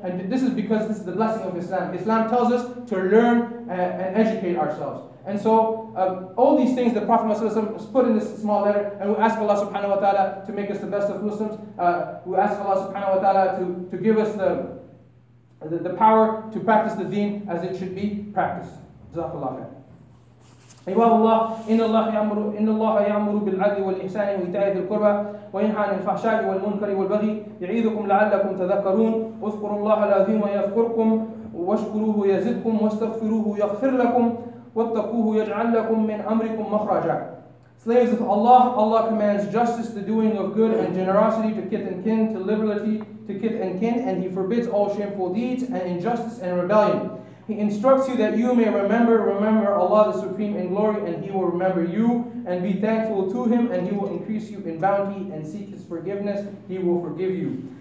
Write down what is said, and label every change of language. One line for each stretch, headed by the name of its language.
English: And this is because this is the blessing of Islam. Islam tells us to learn and educate ourselves. And so all these things the Prophet has put in this small letter, and we ask Allah subhanahu wa ta'ala to make us the best of Muslims. We ask Allah subhanahu wa ta'ala to give us the power to practice the deen as it should be practiced. Jazakallah khair.
Arabic: عباد الله إن الله يأمر بالعدل والإحسان وإيتاء ذي القربى وينهى عن الفحشاء والمنكر والبغي يعيذكم لعلكم تذكرون اذكروا الله العظيم يذكركم واشكروه يزدكم واستغفروه يغفر لكم واتقوه يجعل لكم من أمركم مخرجا.
English: Slaves of Allah, Allah commands justice, the doing of good and generosity, to kith and kin, to liberality, to kith and kin, and He forbids all shameful deeds and injustice and rebellion. He instructs you that you may remember Allah the Supreme in glory, and He will remember you, and be thankful to Him, and He will increase you in bounty, and seek His forgiveness, He will forgive you.